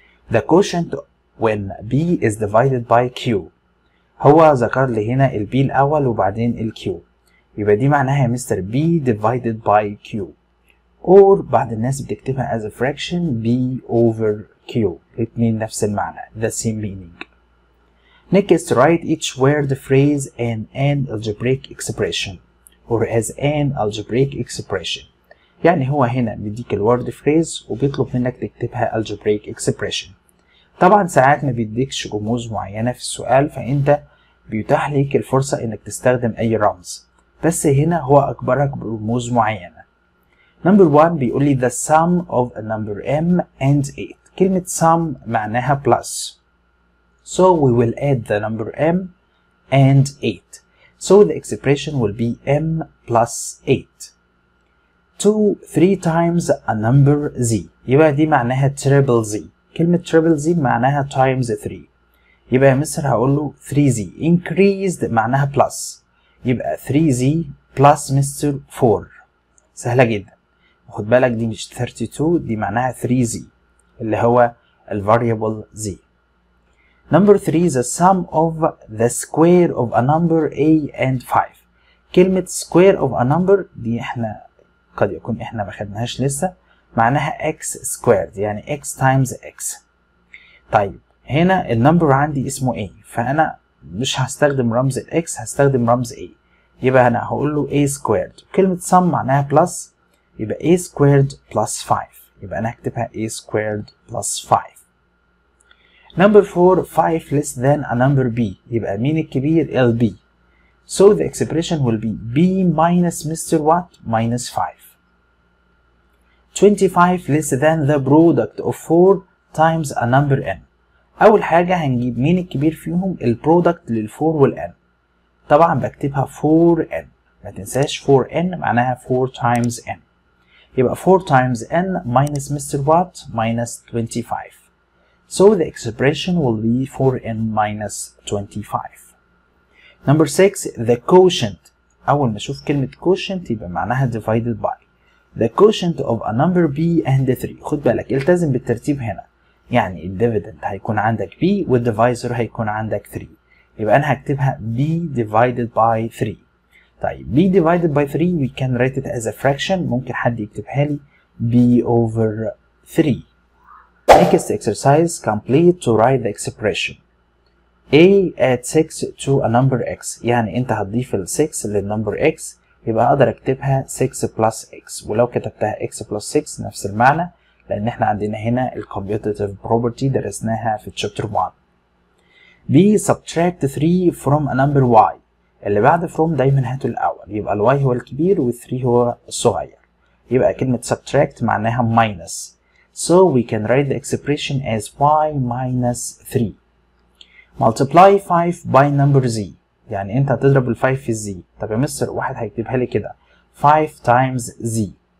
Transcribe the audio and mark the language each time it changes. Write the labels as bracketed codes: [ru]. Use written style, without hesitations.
[en] the quotient when b is divided by q، هو ذكر لي هنا ال b الاول وبعدين ال q، [ar] يبقى دي معناها مستر [en] b divided by q، or [ar] بعض الناس بتكتبها [en] as a fraction b over q، [ar] الاثنين نفس المعنى [en] the same meaning. next write each word phrase in an algebraic expression or as an algebraic expression، [ar] يعني هو هنا بيديك ال word phrase وبيطلب منك تكتبها [en] algebraic expression. [ar] طبعا ساعات ما بيديكش رموز معينة في السؤال، فانت بيتاح ليك الفرصة انك تستخدم اي رمز، بس هنا هو اكبرك برموز معينة. [en] number one [ar] بيقول لي [en] the sum of a number m and 8، كلمة sum معناها plus، So we will add the number m and 8. So the expression will be m plus 8. 2, 3 times a number z. [ar] يبقى دي معناها triple z. كلمة triple z معناها times 3. يبقى مصر هقول له 3z. Increased معناها plus. يبقى 3z plus مستر 4. سهلة جدا. خد بالك دي مش 32, دي معناها 3z. اللي هو ال variable z. [en] Number 3 is the sum of the square of a number a and 5. [ar] كلمة square of a number دي احنا قد يكون احنا ما خدناهاش لسه, معناها x squared يعني x times x. طيب هنا النمبر عندي اسمه a, فانا مش هستخدم رمز x, هستخدم رمز a. يبقى انا هقول له a squared. كلمة sum معناها plus, يبقى a squared plus 5. يبقى انا هكتبها a squared plus 5. [en] Number 4, 5 less than a number b. [ar] يبقى مين الكبير؟ lb. [en] So the expression will be b minus Mr. what? Minus 5. 25 less than the product of 4 times a number n. [ar] أول حاجة هنجيب مين الكبير فيهم؟ ال product لل 4 وال n. طبعا بكتبها 4n. ما تنساش [en] 4n معناها 4 times n. يبقى 4 times n minus Mr. what? Minus 25. So the expression will be 4n minus 25. Number 6, the quotient. [ar] أول ما أشوف كلمة quotient يبقى معناها divided by. [en] The quotient of a number b and 3. [ar] خد بالك التزم بالترتيب هنا. يعني الديفيدنت هيكون عندك b والديفايزر هيكون عندك 3. يبقى أنا هكتبها [en] b divided by 3. طيب b divided by 3 we can write it as a fraction. [ar] ممكن حد يكتبها لي b over 3. [en] Next exercise, complete to write the expression. A add 6 to a number x. [ar] يعني انت هتضيف ال 6 لل number x, يبقى اقدر اكتبها 6 plus x. ولو كتبتها x plus 6 نفس المعنى, لان احنا عندنا هنا ال commutative property درسناها في chapter 1. [en] B subtract 3 from a number y. [ar] اللي بعد from دايما هاته الاول, يبقى ال y هو الكبير وال 3 هو الصغير. يبقى كلمة subtract معناها minus. [en] So we can write the expression as y minus 3. Multiply 5 by number z. [ar] يعني انت هتضرب ال 5 في z. طب يا مستر واحد هيكتبها لي كده [en] 5 times z.